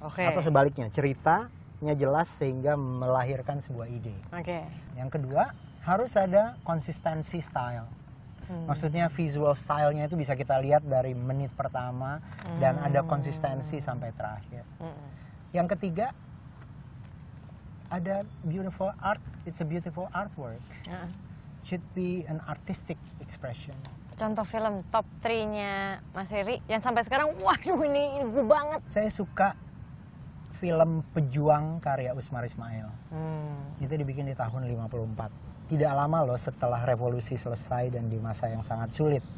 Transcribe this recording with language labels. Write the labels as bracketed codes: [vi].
[id] Okay. Atau sebaliknya, ceritanya jelas sehingga melahirkan sebuah ide. Okay. Yang kedua, harus ada konsistensi style. Maksudnya visual stylenya itu bisa kita lihat dari menit pertama dan ada konsistensi sampai terakhir. Yang ketiga, ada [en] beautiful art, it's a beautiful artwork. Should be an artistic expression. [id] Contoh film top 3-nya Mas Riri yang sampai sekarang, waduh ini gue banget. Saya suka film Pejuang karya Usmar Ismail. Itu dibikin di tahun 54. Tidak lama loh setelah revolusi selesai dan di masa yang sangat sulit.